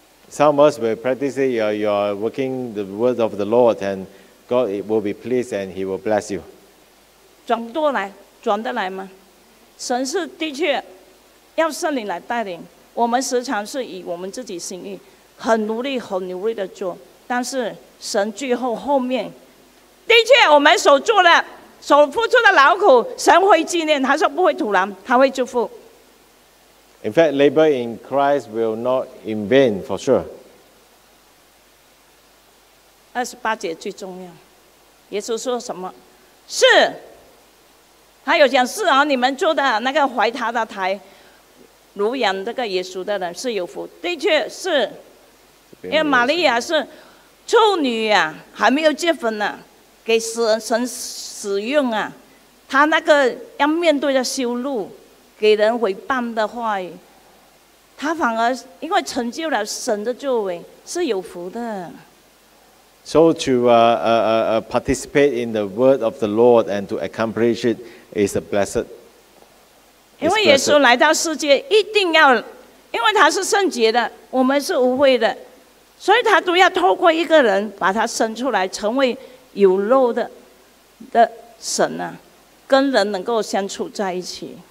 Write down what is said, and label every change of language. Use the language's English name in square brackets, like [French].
[English] Some of us will practice it you are working the word of the Lord andGod will be pleased and He will bless you. [Chinese] 转过来，转得来吗？神是的确要圣灵来带领。我们时常是以我们自己心意，很努力、很努力的做，但是神最后后面，的确我们所做的、所付出的劳苦，神会纪念。他说不会徒然，他会祝福。 [English] In fact, labor in Christ will not in vain for sure. [Chinese] 二十八节最重要耶稣说什么是他有讲是啊你们做的那个怀他的胎乳养这个耶稣的人是有福的确是因为玛利亚是处女啊还没有结婚呢、啊、给神使用啊他那个要面对的羞辱给人毁谤的话语他反而因为成就了神的作为是有福的 [English] So to participate in the word of the Lord and to accomplish it is a blessed. [Chinese] 因为耶稣来到世界，一定要，因为他是圣洁的，我们是污秽的，所以他都要透过一个人把他生出来，成为有肉的神啊，跟人能够相处在一起。